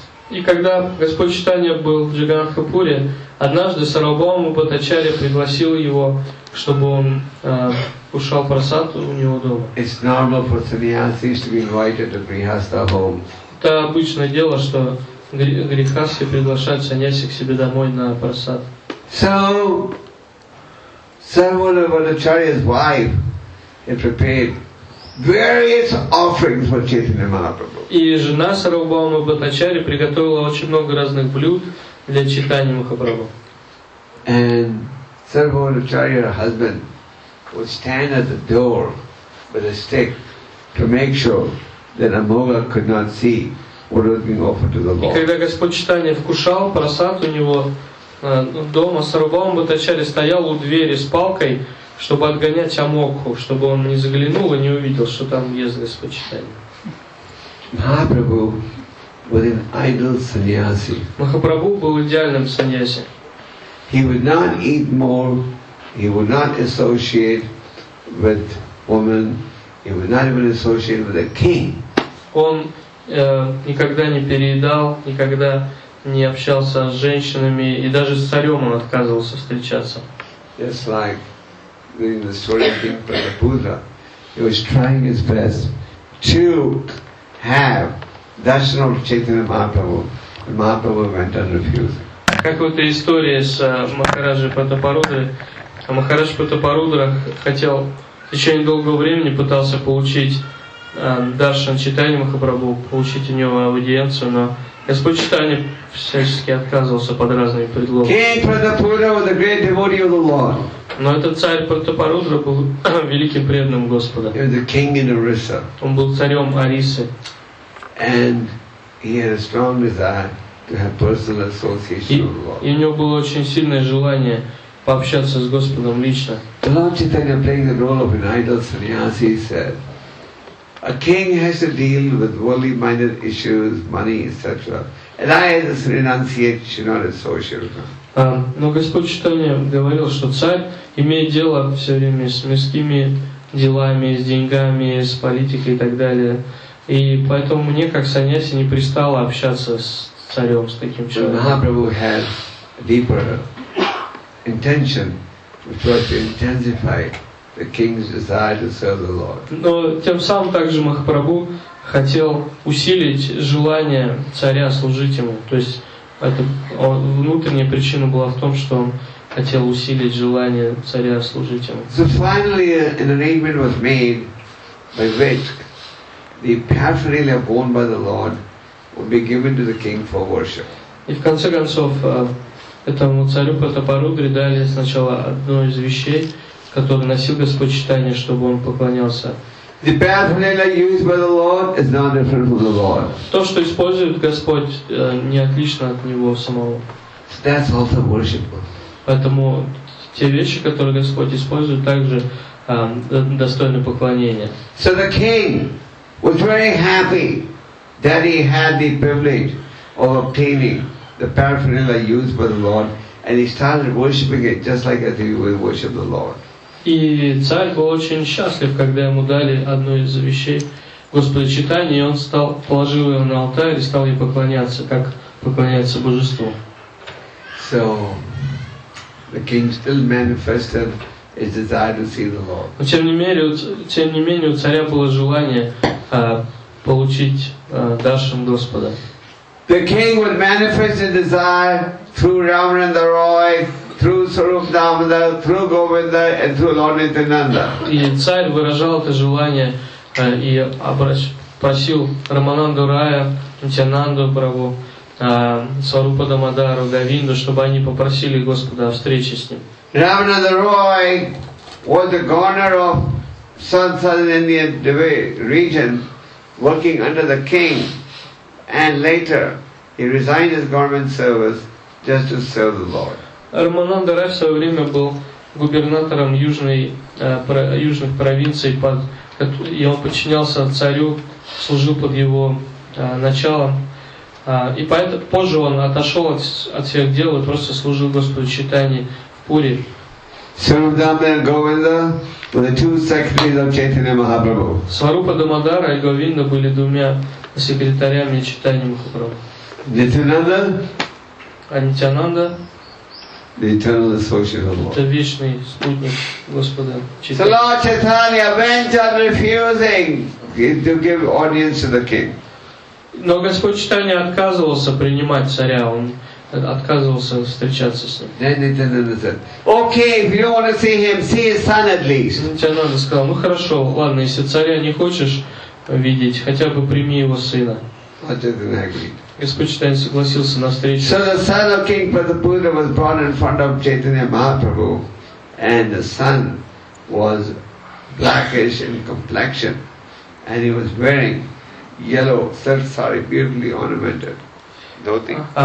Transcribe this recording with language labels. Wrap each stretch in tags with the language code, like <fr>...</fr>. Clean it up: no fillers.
<ru>И когда Господь Чайтанья был в Джаганнатхапуре, однажды Сарвабхаума Бхаттачарья пригласил его, чтобы он кушал прасад у него дома.</ru> <en>It's normal for sannyasis to be invited to grihastha homes.</en> <ru>Это обычное дело, что грихасхи приглашают саньяси к себе домой на прасад.</ru> <en>So, Sarvabhauma Bhattacharya's wife had prepared various offerings for Chaitanya Mahaprabhu.</en> <ru>И жена Сарвабхаумы Бхаттачарьи приготовила очень много разных блюд для Чайтаньи Махапрабху.</ru> <en>And Sarvabhauma Bhattacharya, her husband, would stand at the door with a stick to make sure that Amoga could not see what was being offered to the Lord.</en> <ru>И когда Господь Чайтанья вкушал прасад у него дома, Сарвабхаума Бхаттачарья стоял у двери с палкой, чтобы отгонять Амокху, чтобы он не заглянул и не увидел, что там ест Господь Чайтанья.</ru> <en>Mahaprabhu was an ideal sannyasi.</en> <ru>Махапрабху был идеальным саньяси.</ru> <en>He would not eat more. He would not associate with women. He would not even associate with a king.</en> <ru>Он никогда не переедал, никогда не общался с женщинами, и даже с царем он отказывался встречаться.</ru> <en>Just like in the story of King Pratapudra, he was trying his best to have darshan of Chaitanya Mahaprabhu, and Mahaprabhu went on refusing.</en> <ru>Как в этой истории с Махараджей Пратапарудрой, Махарадж Пратапарудра хотел в течение долгого времени пытался получить даршан Чайтанья Махапрабху, получить у него аудиенцию, но Господь Чайтанья всячески отказывался под разными предлогами.</ru> <en>King Pratapudra was a great devotee of the Lord.</en> <ru>Но этот царь Пратапарудра был великим преданным Господа.</ru> <en>He was the king in Orissa.</en> <ru>Он был царем Орисы.</ru> <en>And he had a strong desire to have personal association with the Lord.</en> <ru>И у него было очень сильное желание пообщаться с Господом лично.</ru> <en>The Lord Chaitanya, playing the role of an idol sannyasi, said, "A king has to deal with worldly-minded issues, money, etc. And I, as a renunciate, should not associate with him."</en> <ru>Но Господь Чайтанья говорил, что царь имеет дело все время с мирскими делами, с деньгами, с политикой и так далее. И поэтому мне, как саньяси, не пристало общаться с царем, с таким человеком.</ru> <en>Махапрабху had deeper intention, which was to intensify the king's desire to serve the Lord.</en> <ru>Но тем самым также Махапрабху хотел усилить желание царя служить ему. То есть внутренняя причина была в том, что он хотел усилить желание царя служить ему.</ru> <en>So finally, an arrangement was made by which the paraphernalia worn by the Lord would be given to the king for worship.</en> <ru>И в конце концов этому царю Пратапарудре дали сначала одно из вещей, который носил Господь Читания, чтобы он поклонялся.</ru> <en>The paraphernalia used by the Lord is not different from the Lord.</en> <ru>То, что использует Господь, не отлично от Него самого.</ru> <en>That's also worship.</en> <ru>Поэтому те вещи, которые Господь использует, также достойны поклонения.</ru> <en>So the king was very happy that he had the privilege of obtaining the paraphernalia used by the Lord, and he started worshiping it just like as he would worship the Lord.</en> <ru>И царь был очень счастлив, когда ему дали одну из вещей Господа Читания, и он стал, положил ее на алтарь и стал ей поклоняться, как поклоняется божеству.</ru> <en>So, the king still manifested his desire to see the Lord.</en> <ru>Но тем не менее у царя было желание получить даршан Господа.</ru> <en>The king would manifest his desire through Ramananda Roy, through Swarup Damodar, through Govinda, and through Lord Nityananda.</en> <ru>И царь выражал это желание и просил Рамананду Рая, Нитянанду Прабху, Сварупа Дамодару, Говинду, чтобы они попросили Господа о встрече с ним.</ru> <en>Ramananda Roy was the governor of Southern Indian region, working under the king, and later he resigned his government service just to serve the Lord.</en> <ru>Рамананда Рай в свое время был губернатором южных провинций, и он подчинялся царю, служил под его началом. И поэтому позже он отошел от всех дел и просто служил Господу Читания в Пури.</ru> <en>Swarup Damodara and Govinda were the two secretaries of Chaitanya Mahaprabhu.</en> <ru>Сварупа Дамодара и Говинда были двумя секретарями Читания Махапрабху. Нитянанда. А Нитянанда.</ru> <en>The eternal associate of the Lord.</en> <ru>Это вечный спутник Господа</ru> <en>Читания. So Lord Chaitanya went on refusing to give audience to the king.</en> <ru>Но Господь Читания отказывался принимать царя, он отказывался встречаться с ним.</ru> <en>Then Nityananda said, okay, if you don't want to see him, see his son at least.</en> <ru>Nityananda сказал, ну хорошо, ладно, если царя не хочешь видеть, хотя бы прими его сына.</ru> <en>Lord Chaitanya agreed.</en> <ru>Господь Читания согласился на встречу.</ru> <en>So the son of King Pratapudra was born in front of Chaitanya Mahaprabhu, and the son was blackish in complexion, and he was wearing yellow silk sari, beautifully ornamented dhoti.</en>